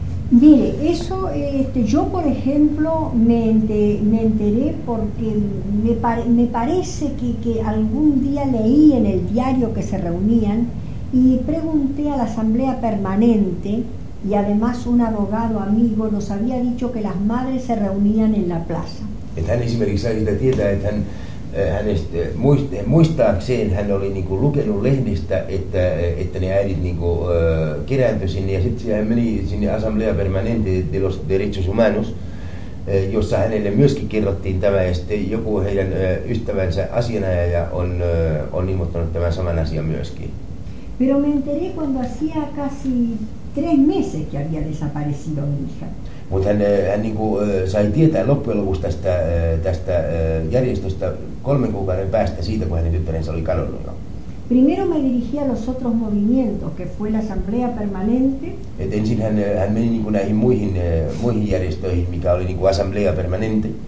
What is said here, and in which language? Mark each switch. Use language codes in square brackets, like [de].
[es] Mire, eso, yo por ejemplo me enteré porque me parece que algún día leí en el diario que se reunían y pregunté a la asamblea permanente y además un abogado amigo nos había dicho que las madres se reunían en la plaza. [fi] Hän esimerkiksi sai sitä tietää, että hän, hänestä, muistaakseen hän oli niin kuin lukenut lehdistä, että ne äidit niin kuin kerääntyi sinne. Ja sitten hän meni sinne Asamblea Permanente de los Derechos Humanos, jossa hänelle myöskin kerrottiin tämä. Ja sitten joku heidän ystävänsä asianajaja on, on ilmoittanut tämän saman asian myöskin. [es] Pero me enteré cuando hacía casi tres meses que había desaparecido mi hija. [fi] Mutta hän, hän niin kuin, sai tietää loppujen lopuksi tästä, tästä järjestöstä 3 kuukauden päästä siitä, kun hänen tyttärensä oli kadonnut. [es] Primero me dirigí a los otros movimientos, que fue la Asamblea Permanente. [fi] Et ensin hän, hän meni niin kuin näihin muihin, muihin järjestöihin, mikä oli niin kuin Asamblea Permanente.